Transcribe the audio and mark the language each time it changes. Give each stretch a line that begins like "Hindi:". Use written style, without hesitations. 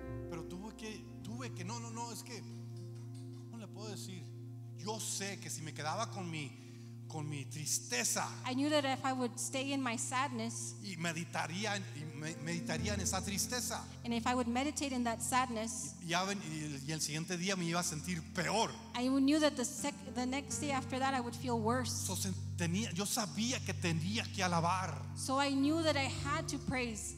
Spanish: Pero tuve que, no, es que, ¿cómo le puedo decir? Yo sé que si me quedaba con mi tristeza.
English: I knew that if I would stay in my sadness.
Spanish: Y meditaría en esa tristeza.
English: And if I would meditate in that sadness.
Spanish: Y el siguiente día me iba a sentir peor.
English: I knew that the next day after that I would feel worse.
Spanish: Yo sabía que tenía que alabar.
English: So I knew that I had to praise.